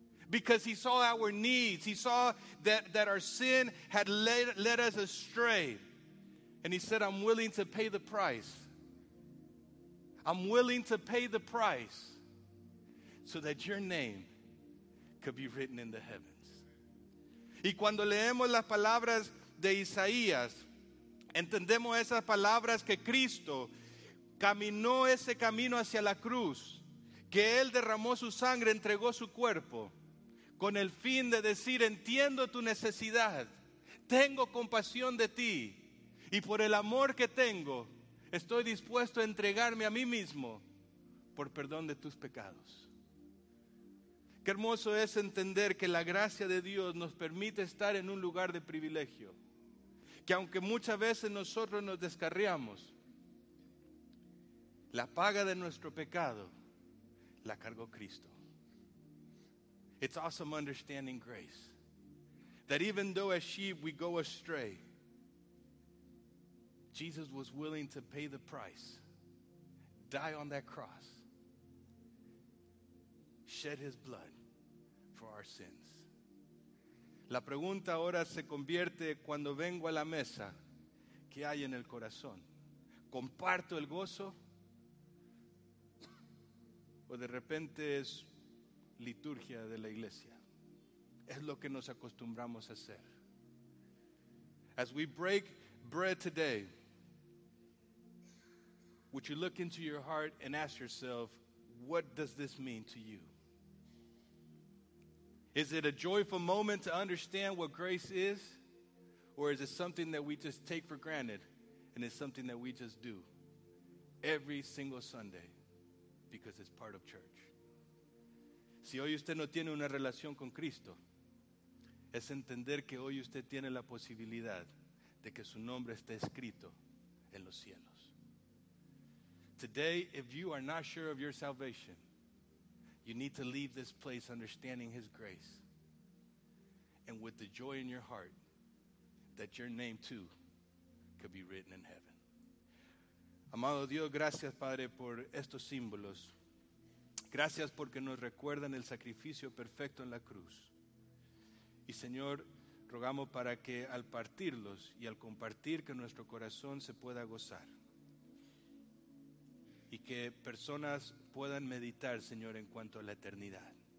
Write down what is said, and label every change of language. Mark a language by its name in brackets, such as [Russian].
[English] Because he saw our needs. He saw that our sin had led us astray. And he said, I'm willing to pay the price. I'm willing to pay the price so that your name could be written in the heavens. [Spanish] Y cuando leemos las palabras de Isaías, entendemos esas palabras que Cristo caminó ese camino hacia la cruz, que él derramó su sangre, entregó su cuerpo, con el fin de decir, entiendo tu necesidad, tengo compasión de ti, y por el amor que tengo, estoy dispuesto a entregarme a mí mismo por perdón de tus pecados. Qué hermoso es entender que la gracia de Dios nos permite estar en un lugar de privilegio, que aunque muchas veces nosotros nos descarriamos, La paga de nuestro pecado la cargó Cristo. [English] It's awesome understanding grace. That even though as sheep we go astray, Jesus was willing to pay the price, die on that cross, shed his blood for our sins. [Spanish] La pregunta ahora se convierte cuando vengo a la mesa, ¿qué hay en el corazón? ¿Comparto el gozo? ¿O de repente es liturgia de la iglesia? Es lo que nos acostumbramos a hacer. [English] As we break bread today, would you look into your heart and ask yourself, what does this mean to you? Is it a joyful moment to understand what grace is? Or is it something that we just take for granted and it's something that we just do every single Sunday because it's part of church? [Spanish] Si hoy usted no tiene una relación con Cristo, es entender que hoy usted tiene la posibilidad de que su nombre esté escrito en los cielos. [English] Today, if you are not sure of your salvation, you need to leave this place understanding his grace and with the joy in your heart that your name too could be written in heaven. [Spanish] Amado Dios, gracias, Padre, por estos símbolos. Gracias porque nos recuerdan el sacrificio perfecto en la cruz. Y Señor, rogamos para que al partirlos y al compartir que nuestro corazón se pueda gozar. Y que personas puedan meditar, Señor, en cuanto a la eternidad.